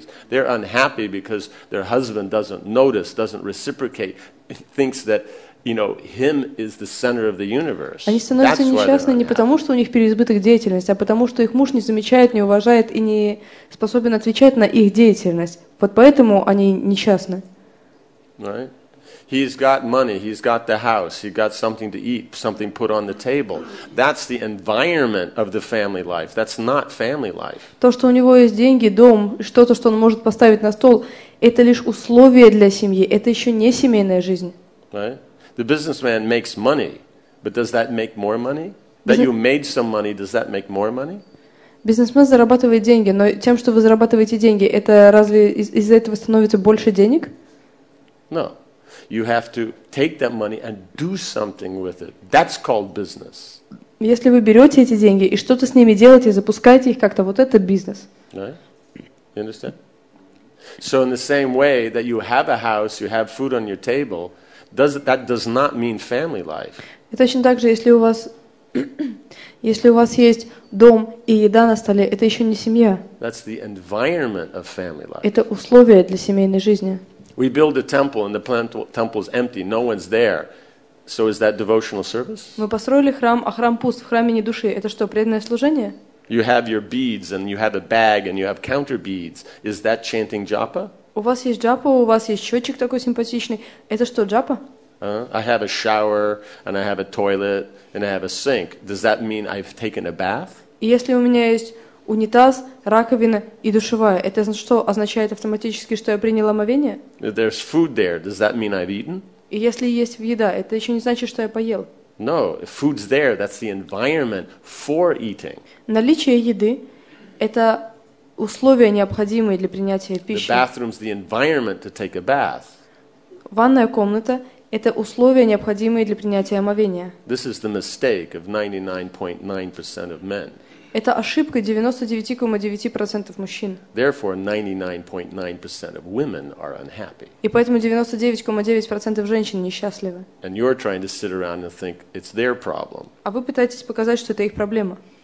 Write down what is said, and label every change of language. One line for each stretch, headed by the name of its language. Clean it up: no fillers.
English: They're unhappy because their husband doesn't notice, doesn't reciprocate, thinks that, you know, him is the center of the universe.
Russian: Они становятся несчастны не потому, что у них переизбыток деятельности, а потому, что их муж не замечает, не уважает и не способен отвечать на их деятельность. Вот поэтому они несчастны.
English: Right? He's got money, he's got the house, he's got something to eat, something put on the table. That's the environment of the family life. That's not family life.
Russian: То, что у него есть деньги, дом, что-то, что он может поставить на стол, это лишь условие для семьи, это еще не семейная жизнь.
English: Right? The businessman makes money, but does that make more money? That you made some money, does that make more money?
Russian: Бизнесмен зарабатывает деньги, но тем, что вы зарабатываете деньги, это разве из-за этого становится больше денег?
English: No. You have to take that money and do something with it. That's called business.
Russian: Если вы берете эти деньги и что-то с ними делаете, запускаете их как-то, вот это бизнес.
English: Right? You understand? So in the same way that you have a house, you have food on your table, does it, that does not mean family life.
Russian: И точно так же, если у вас если у вас есть дом и еда на столе, это еще не семья.
English: That's the environment of family life.
Russian: Это условия для семейной жизни.
English: We build a temple and the temple is empty. No one's there. So is that devotional service?
Russian: Мы построили храм, а храм пуст. В храме ни души. Это что, преданное служение?
English: You have your beads and you have a bag and you have counter beads. Is that chanting japa?
Russian: У вас есть джапа, у вас есть счетчик такой симпатичный. Это что, джапа?
English: I have a shower and I have a toilet and I have a sink. Does that mean I've taken a bath?
Russian: Если у меня есть унитаз, раковина и душевая. Это что означает автоматически, что я принял омовение?
English: There's food there. Does that mean I've eaten?
Russian: И если есть еда, это еще не значит, что я поел.
English: No, if food's there, that's the environment for eating.
Russian: Наличие еды – это условия, необходимые для принятия пищи.
English: The bathroom's the environment to take a bath.
Russian: Ванная комната – это условия, необходимые для принятия омовения.
English: This is the mistake of 99.9% of men.
Russian: Это ошибка 99.9% мужчин.
English: Therefore, 99.9% of women are unhappy.
Russian: И поэтому 99.9% женщин несчастливы.
English: And you're trying to sit around and think it's their problem.
Russian: А вы пытаетесь показать, что это их проблема.